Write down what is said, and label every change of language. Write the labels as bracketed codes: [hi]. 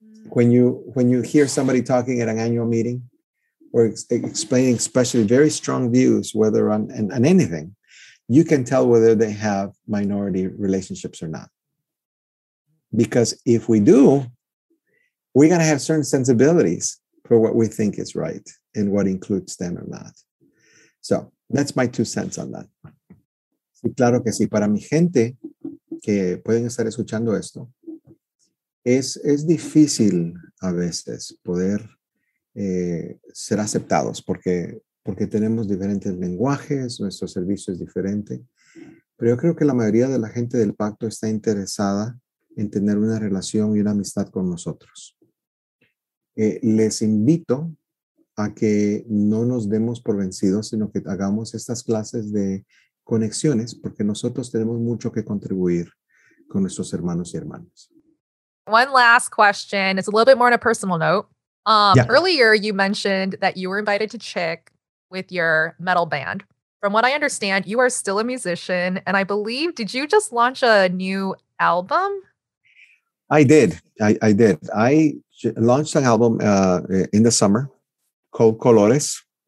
[en] When you hear somebody talking at an annual meeting or explaining especially very strong views, whether on anything, you can tell whether they have minority relationships or not. Because if we do, we're going to have certain sensibilities for what we think is right and what includes them or not. So that's my two cents on that. [es] Y claro que sí, para mi gente que pueden estar escuchando esto, es difícil a veces poder ser aceptados porque tenemos diferentes lenguajes, nuestro servicio es diferente. Pero yo creo que la mayoría de la gente del pacto está interesada en tener una relación y una amistad con nosotros. Les invito a que no nos demos por vencidos, sino que hagamos estas clases de conexiones, porque nosotros tenemos mucho que contribuir con nuestros hermanos y hermanas. [en] One last question. It's a little bit more on a personal note. Yeah. Earlier, you mentioned that you were invited to Chick with your metal band. From what I understand, you are still a musician. And I believe, did you just launch a new album? I did. I launched an album in the summer called Colores.